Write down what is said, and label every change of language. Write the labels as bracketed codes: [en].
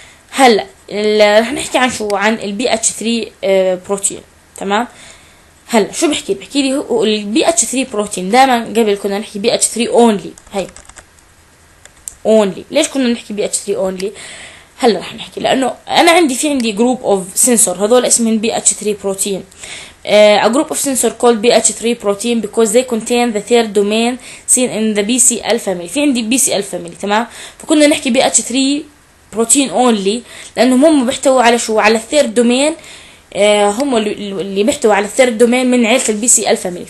[ar] هلا رح نحكي عن شو؟ عن البي اتش 3 بروتين. تمام. هلا شو بحكي؟ بحكي لي البي اتش 3 بروتين، دائما قبل كنا نحكي بي اتش 3 اونلي، هي اونلي. ليش كنا نحكي بي اتش 3 اونلي؟ هلا رح نحكي لانه انا عندي في عندي جروب اوف سنسور هذول اسمهم بي اتش 3 بروتين. [en] A group of sensor called BH3 protein because they contain the third domain seen in the BCL family. [ar] في عندي BCL family. تمام. فكنا نحكي BH3 protein only لأنهم هم بيحتوى على شو؟ على third domain. هم اللي بيحتوى على third domain من عيلة BCL family.